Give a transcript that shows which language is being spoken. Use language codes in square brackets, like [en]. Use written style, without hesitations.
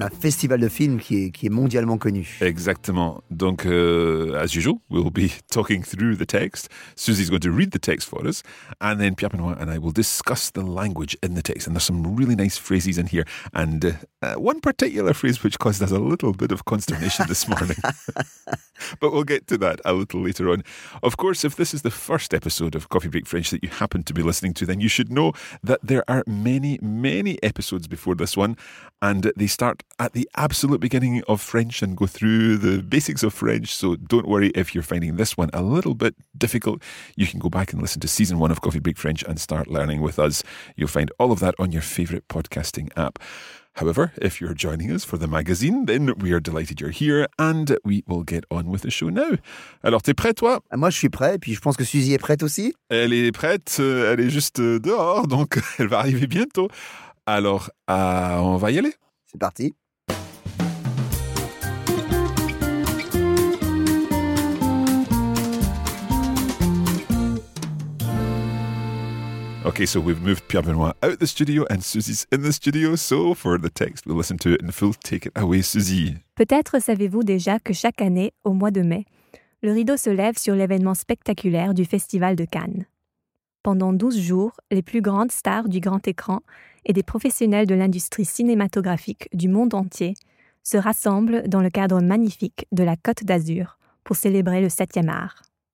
[fr] Un festival de films qui est mondialement connu. Exactement. Donc, [en] as usual, we'll be talking through the text. Susie's going to read the text for us. And then Pierre Benoît and I will discuss the language in the text. And there's some really nice phrases in here. And one particular phrase which caused us a little bit of consternation this morning. But we'll get to that a little later on. Of course, if this is the first episode of Coffee Break French that you happen to be listening to, then you should know that there are many, many episodes before this one, and they start at the absolute beginning of French and go through the basics of French. So don't worry if you're finding this one a little bit difficult. You can go back and listen to Season 1 of Coffee Break French and start learning with us. You'll find all of that on your favourite podcasting app. However, if you're joining us for the magazine, then we are delighted you're here and we will get on with the show now. [fr] Alors, t'es prêt, toi ? Moi, je suis prêt, puis je pense que Suzy est prête aussi. Elle est prête, elle est juste dehors, donc elle va arriver bientôt. Alors, on va y aller. C'est parti. [en] Okay, so we've moved Pierre Benoît out the studio and Susie's in the studio. So for the text, we'll listen to it in full. Take it away, Susie. [fr] Peut-être savez-vous déjà que chaque année, au mois de mai, le rideau se lève sur l'événement spectaculaire du Festival de Cannes. Pendant 12 jours, les plus grandes stars du grand écran et des professionnels de l'industrie cinématographique du monde entier se rassemblent dans le cadre magnifique de la Côte d'Azur pour célébrer le 7e art.